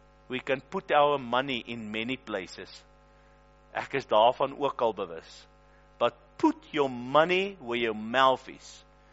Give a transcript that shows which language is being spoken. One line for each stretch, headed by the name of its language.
English: We can put our money in many places.
Afrikaans: Ek is daarvan ook al bewus.
English: But put your money where your mouth is.